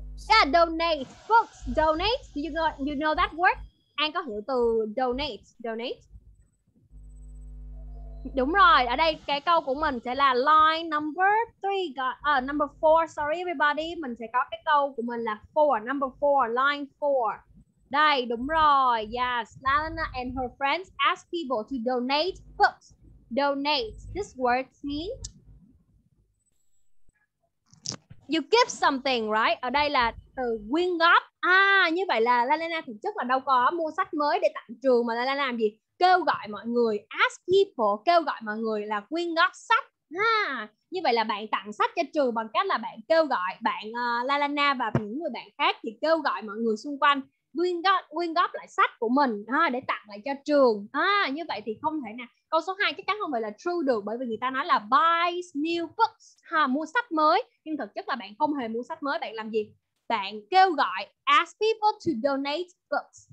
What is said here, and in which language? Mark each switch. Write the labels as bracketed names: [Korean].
[English] Yeah, donate books. Donate. Do you know that word? [Vietnamese] An có hiểu từ donate. Donate. Đúng rồi. Ở đây cái câu của mình sẽ là [English] line number three. Number four. Sorry everybody. [Vietnamese] Mình sẽ có cái câu của mình là four. [English] Number four. Line four. [Vietnamese] Đây đúng rồi. [English] Yes. Lana and her friends ask people to donate books. Donate. This word means you give something, right? [Vietnamese] Ở đây là từ quyên góp. Như vậy là Lana thực chất là đâu có mua sách mới để tặng trường, mà Lana làm gì? Kêu gọi mọi người, [English] ask people, [Vietnamese] kêu gọi mọi người là quyên góp sách. Như vậy là bạn tặng sách cho trường bằng cách là bạn kêu gọi bạn Lana và những người bạn khác thì kêu gọi mọi người xung quanh quyên góp lại sách của mình để tặng lại cho trường. Như vậy thì không thể nào. Câu số 2 chắc chắn không phải là true được, bởi vì người ta nói là [English] buys new books, [Vietnamese] mua sách mới. Nhưng thực chất là bạn không hề mua sách mới, bạn làm gì? Bạn kêu gọi [English] ask people to donate books.